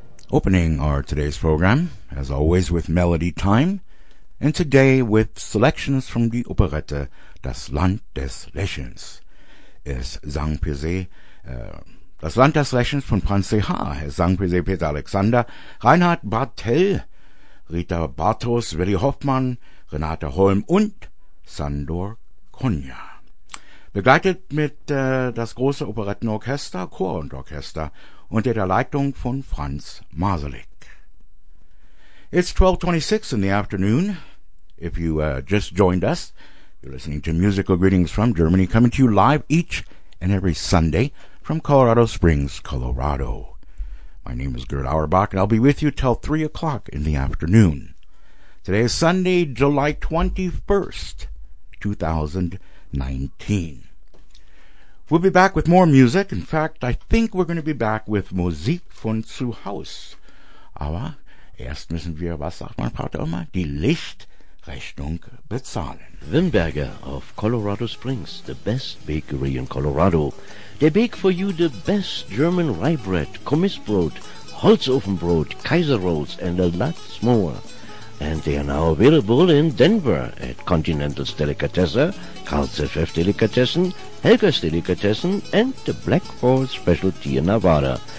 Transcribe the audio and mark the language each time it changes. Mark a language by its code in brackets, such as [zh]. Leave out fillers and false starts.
[en] Opening our today's program, as always, with Melody Time, and today with selections from the operette Das Land des Lächelns. [de] Es sang per se, Das Land des Lächelns von Franz C.H. Es sang per se Peter Alexander, Reinhard Bartel, Rita Bartos, Willy Hoffmann, Renate Holm und Sandor Konya. Begleitet mit das große Operettenorchester, Chor und Orchester, unter der Leitung von Franz Masalik. [en] It's 12:26 in the afternoon. If you just joined us, you're listening to Musical Greetings from Germany, coming to you live each and every Sunday from Colorado Springs, Colorado. My name is Gerd Auerbach, and I'll be with you till 3 o'clock in the afternoon. Today is Sunday, July 21st, 2019. We'll be back with more music. In fact, I think we're going to be back with Musik von zu Haus. [de] Aber erst müssen wir, was sagt mein Vater immer, die Lichtrechnung bezahlen. [en] Wimberger of Colorado Springs, the best bakery in Colorado. They bake for you the best German rye bread, Kommissbrot, Holzofenbrot, Kaiser Rolls and a lot more. And they are now available in Denver at Continental's Delicatesse, Karl's FF Delicatessen, Helga's Delicatessen, and the Black Horse Specialty in Nevada.